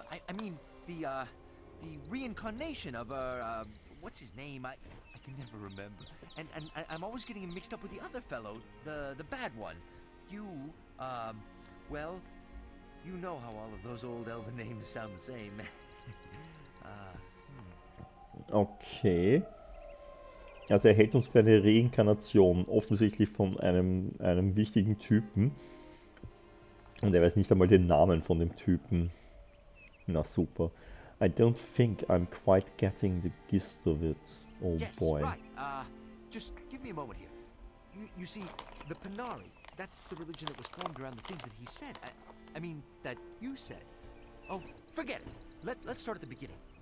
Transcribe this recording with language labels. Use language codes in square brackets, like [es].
[en] I mean, the reincarnation of what's his name? I can never remember. And I'm always getting him mixed up with the other fellow, the bad one. You, well. You know how all of those old elven names sound the same. Okay. [de] Also er hält uns für eine Reinkarnation, offensichtlich von einem wichtigen Typen. Und er weiß nicht einmal den Namen von dem Typen. Na super. [en] I don't think I'm quite getting the gist of it. Oh yes, boy. Right. Just give me a moment here. You see, the Penari, that's the religion that was formed around the things that he said. I mean, that you said. Oh, forget it. Let's start at the beginning.